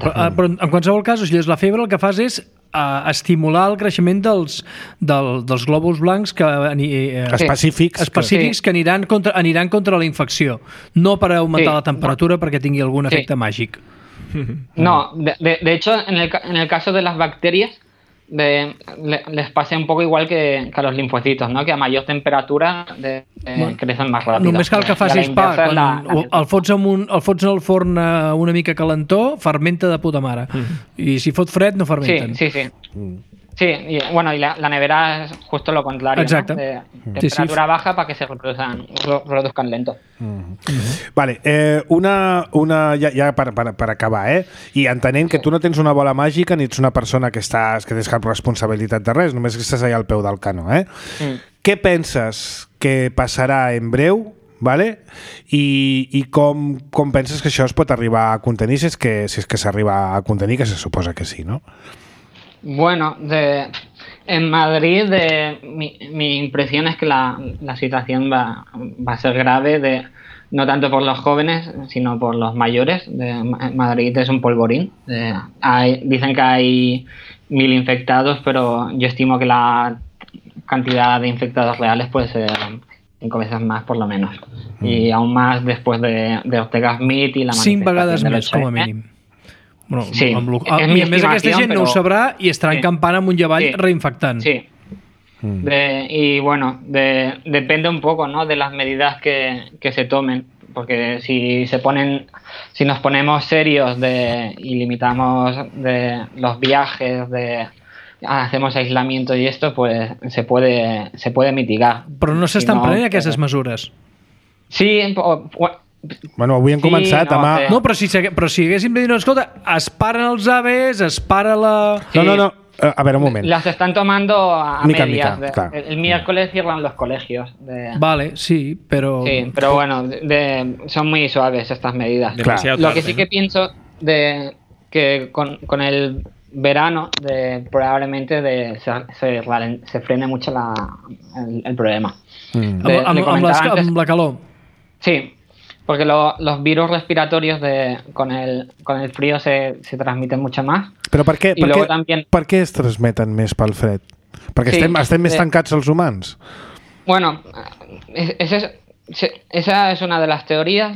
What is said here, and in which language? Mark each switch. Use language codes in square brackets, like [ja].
[ca] Però en qualsevol cas, si és la febre, el que fas és estimular el creixement dels glòbuls blancs específics que aniran contra la infecció, no per augmentar la temperatura perquè tingui algun efecte màgic. [es] No, de hecho, en el caso de las bacterias, les passa un poco igual que a los linfocitos, ¿no? Que a mayor temperatura crecen más rápido. [ca] Només cal que facis pa, el fots al forn una mica calentó, fermenta de puta mare. I si fot fred, no fermenten. Sí, sí, sí. [es] Sí, y bueno, y la nevera es justo lo contrario. Exacto. ¿No? Temperatura baja para que se reproduzcan lento. [ca] Uh-huh. Vale, una ja per acabar, eh? I entenent que tu no tens una bola màgica ni ets una persona que estàs, que tens cap responsabilitat de res, només que estàs allà al peu del canó, eh? Què penses que passarà en breu, vale? I com penses que això es pot arribar a contenir, si és que s'arriba a contenir, que se suposa que sí, no? [es] Bueno, en Madrid mi impresión es que la situación va a ser grave, no tanto por los jóvenes, sino por los mayores. Madrid es un polvorín. Dicen que hay 1,000 infectados, pero yo estimo que la cantidad de infectados reales puede ser 5 veces más, por lo menos. Y aún más después de Ortega Smith y la manifestación. [ca] 5 vegades [es] más, como mínimo. [ca] Bueno, sí, i a més aquesta gent no ho sabrà i estarà encampant amunt i avall reinfectant. Sí. [es] Y bueno, depende un poco, ¿no?, de las medidas que se tomen, porque si nos ponemos serios y limitamos los viajes, hacemos aislamiento y esto, pues se puede mitigar. [ca] Però no s'estan prenent aquestes mesures. Sí, bueno, avui hem començat, demà... No, però si haguéssim de dir, no, escolta, es paren els AVEs, es para la... Sí. No, a veure, un moment. [es] Las están tomando a mica, medias. Mica, el miércoles cierran los colegios. [ca] Vale, sí, però... Sí, però [es] bueno, son muy suaves estas medidas. Demasiado lo que tarde, sí que ¿no? pienso de que con el verano probablemente se frene mucho el problema. [ca] Amb la calor. Sí. [es] Porque los virus respiratorios con el frío se transmiten mucho más. Pero ¿por qué es transmiten más [ca] pel fred? [es] Porque [ca] estem més tancats els humans. [es] Bueno, esa es una de las teorías.